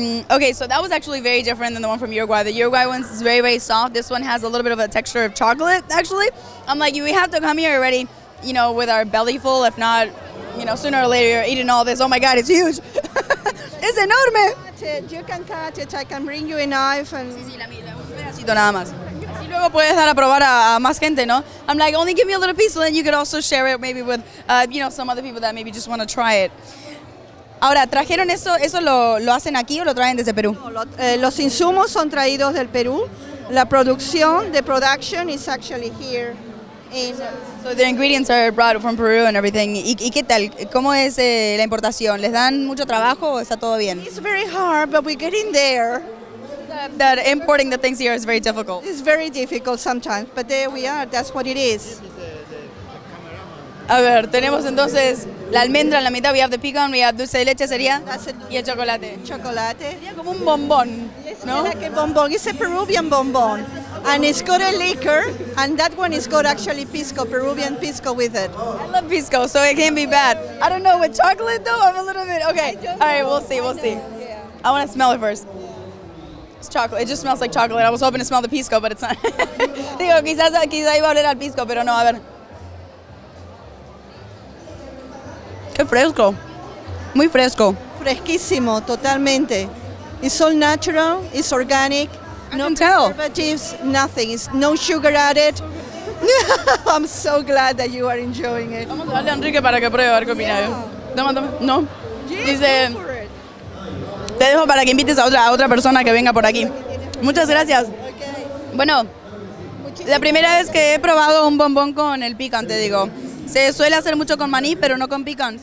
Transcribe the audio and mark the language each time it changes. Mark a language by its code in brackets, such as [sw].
[en] Okay, so that was actually very different than the one from Uruguay. The Uruguay one is very, very soft. This one has a little bit of a texture of chocolate, actually. I'm like, we have to come here already, you know, with our belly full. If not, you know, sooner or later you're eating all this. Oh my God, it's huge. [es] ¡Es enorme! [en] You can cut it, I can bring you a knife and... [es] Sí, la mía, un pedacito nada más. Y luego puedes dar a probar a más gente, ¿no? [en] I'm like, only give me a little piece, and then you could also share it maybe with, you know, some other people that maybe just want to try it. [es] Ahora, ¿trajeron eso? ¿Eso lo hacen aquí o lo traen desde Perú? No, los insumos son traídos del Perú. La producción, [en] the production is actually here. So the ingredients are brought from Peru and everything. [es] ¿Y qué tal? ¿Cómo es la importación? ¿Les dan mucho trabajo o está todo bien? [en] It's very hard, but we're getting there. That importing the things here is very difficult. It's very difficult sometimes, but there we are. That's what it is. [es] A ver, tenemos entonces la almendra en la mitad. [en] We have the pecan, we have [es] dulce de leche, sería. Y el chocolate. Chocolate. Sería como un bombón, ¿no? [en] Like a bombón. It's a Peruvian bombón. And it's got a liquor, and that one is got actually pisco, Peruvian pisco with it. I love pisco, so it can't be bad. I don't know, with chocolate though, I'm a little bit, okay. All right, we'll see. Yeah. I want to smell it first. It's chocolate, it just smells like chocolate. I was hoping to smell the pisco, but it's not. [es] Digo, quizás iba a oler al pisco, pero no, a ver. Qué fresco. Muy fresco. Fresquísimo, totalmente. [en] It's all natural, it's organic. No preservatives, nothing. It's no sugar added. I'm so glad that you are enjoying it. [es] Vamos a darle a Enrique para que pruebe a ver qué opina. Toma. No. Dice, te dejo para que invites a otra persona que venga por aquí. Muchas gracias. Bueno, la primera vez que he probado un bombón con el pecan, te digo. Se suele hacer mucho con maní, pero no con pecan.